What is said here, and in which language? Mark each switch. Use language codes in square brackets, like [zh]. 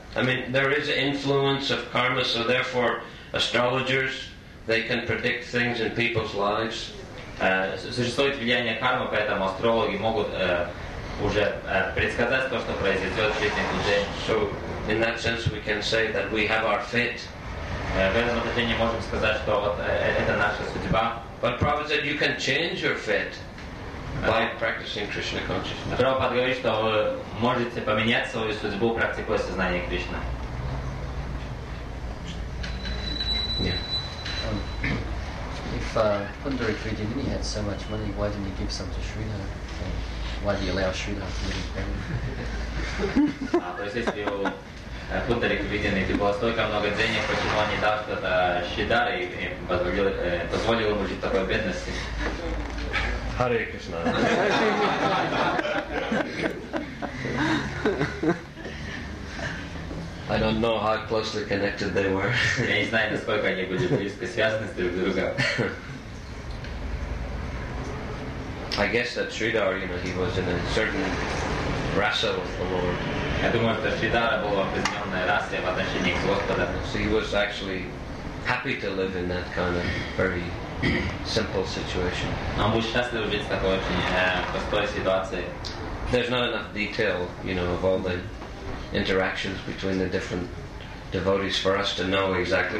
[en] I mean, there is an influence of karma, so therefore astrologers, they can predict things in people's lives. [ru] Существует влияние кармы, поэтому астрологи могут уже предсказать то, что произойдет в жизни людей. [en] So, in that sense, we can say that we have our fate. [ru] В этом отношении можем сказать, что вот это наша судьба. [en] But Prabhupada said you can change your fate by practicing Krishna consciousness. [ru] Прабхупада говорит, что вы можете поменять свою судьбу, практикуя сознание Кришны. [en] Yeah. If Pundari Kridimini had so much money, why didn't he give some to Sridhar? Why do you allow Sridhar to live in heaven? [ru] Пунтарик виден, если было столько много денег, почему он не дал что-то Шридхар и позволил ему жить в такой бедности? Харе Кришна. [en] I don't know how closely connected they were. [ru] Я не знаю, насколько они были близко связаны с друг другом. [en] I guess that Shridhar, you know, he was in a certain rasa with the Lord. [ru] Я думаю, что Шридхара был в определенной расе в отношении к Господу. [en] So he was actually happy to live in that kind of very simple situation. [ru] Он был счастлив жить в такой очень простой ситуации. [en] There's not enough detail, you know, of all the interactions between the different devotees for us to know exactly.